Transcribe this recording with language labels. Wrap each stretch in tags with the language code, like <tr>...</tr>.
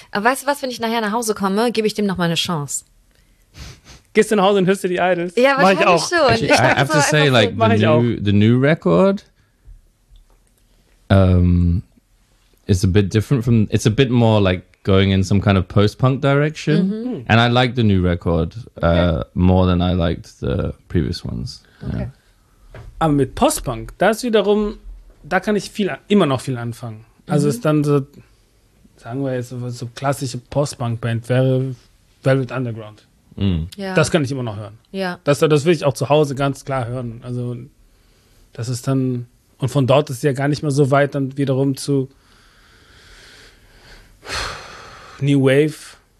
<de>Aber weißt du was, wenn ich nachher nach Hause komme, gebe ich dem nochmal eine Chance. Gehst du nach Hause und hörst du die Idols? Ja, wahrscheinlich schon.</de> <en>I have to say, the new record. It's a bit different from, it's a bit more like going in some kind of post-punk direction. Mm-hmm. And I like the new record more than I liked the previous ones. Okay.</en> <de>Aber mit post-punk, da kann ich immer noch viel anfangen. Mm-hmm. Also ist dann so, sagen wir jetzt, so klassische post-punk-Band wäre Velvet Underground. Mm.</de> <en>Yeah.</en> <de>Das kann ich immer noch hören.</de> <en>Yeah.</en> <de>Das will ich auch zu Hause ganz klar hören. Also das ist dann, und von dort ist es ja gar nicht mehr so weit dann wiederum zu New Wave.</de>